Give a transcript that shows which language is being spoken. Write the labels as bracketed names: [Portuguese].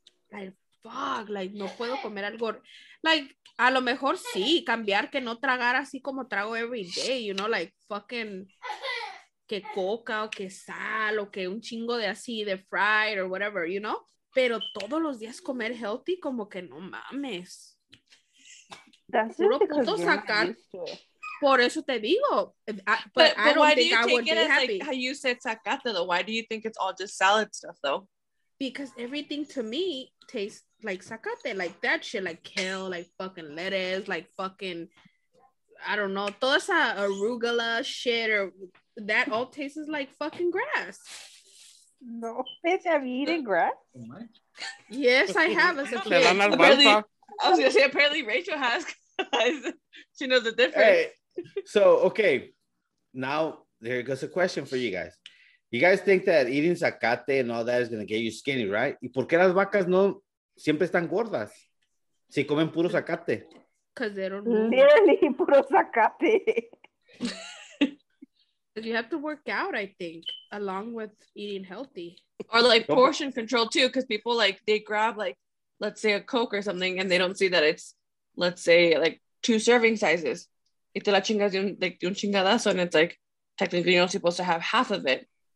[English] Like, fuck, like, [Spanish] no puedo comer algo. Like, a lo mejor sí, cambiar, que no tragar así como trago [English] every day, you know, like, fucking, [Spanish] que coca o que sal o que un chingo de así, de [English] fried or whatever, you know. [Spanish] Pero todos los días comer healthy, como que no mames. [English] That's [Spanish] puro puto sacar. Por eso te digo. [English] But why do you take it as, like, how you said sacate, though? Why do you think it's all just salad stuff, though? Because everything to me tastes like sacate, like that shit, like kale, like fucking lettuce, like fucking, I don't know, [Spanish] toda esa arugula [English] shit, or that all tastes like fucking grass. No, bitch, have you eaten grass? Yes, I have. As a kid. Apparently, I was gonna say, apparently Rachel has, she knows the difference. Hey. So, okay, now there goes a question for you guys. You guys think that eating zacate and all that is going to get you skinny, right? [Spanish] ¿Y por qué las vacas no siempre están gordas si comen puro zacate? [English] Because they don't know. Literally, [Spanish] puro zacate. [English] You have to work out, I think, along with eating healthy. Or like portion control too, because people, like, they grab, like, let's say a Coke or something, and they don't see that it's, let's say, like, two serving sizes. [Spanish] Y te la chingas de un chingadazo, [English] and it's like, technically, you're not supposed to have half of it.